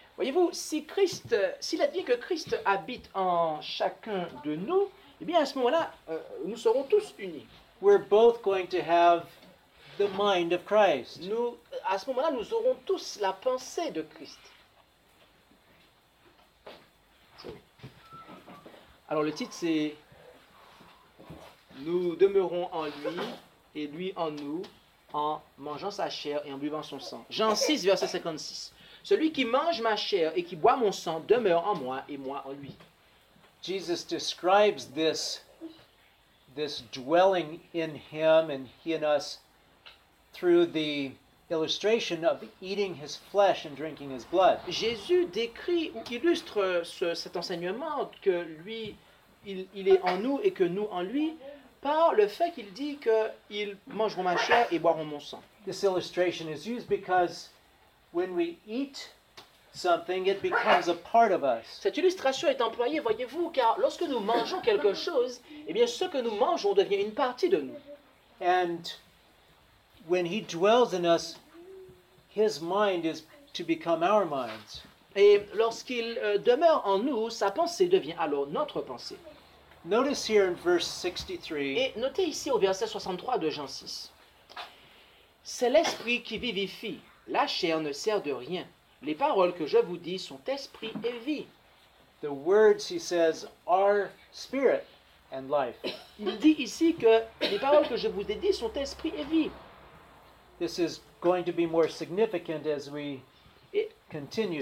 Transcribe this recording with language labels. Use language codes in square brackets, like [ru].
[fr] Voyez-vous, si Christ, s'il advient que Christ habite en chacun de nous, eh bien à ce moment-là, nous serons tous unis. [en] We're both going to have the mind of Christ. [fr] Nous, à ce moment-là, nous aurons tous la pensée de Christ. Alors le titre c'est Nous demeurons en lui et lui en nous en mangeant sa chair et en buvant son sang. Jean 6, verset 56. Celui qui mange ma chair et qui boit mon sang demeure en moi et moi en lui. [en] Jesus describes this dwelling in him and he in us through the illustration of eating his flesh and drinking his blood. [fr] Jésus décrit ou illustre cet enseignement que lui, il est en nous et que nous en lui par le fait qu'il dit qu'ils mangeront ma chair et boiront mon sang. [en] This illustration is used because when we eat something, it becomes a part of us. [fr] Cette illustration est employée, voyez-vous, car lorsque nous mangeons quelque chose, eh bien, ce que nous mangeons devient une partie de nous. [en] And when he dwells in us, his mind is to become our minds. [fr] Et lorsqu'il demeure en nous, sa pensée devient alors notre pensée. [en] Notice here in verse 63. [fr] Et notez ici au verset 63 de Jean 6. C'est l'esprit qui vivifie. La chair ne sert de rien. Les paroles que je vous dis sont esprit et vie. [en] The words, he says, are spirit and life. [fr] Il dit ici que les paroles que je vous ai dit sont esprit et vie. [en] This is going to be more significant as we continue.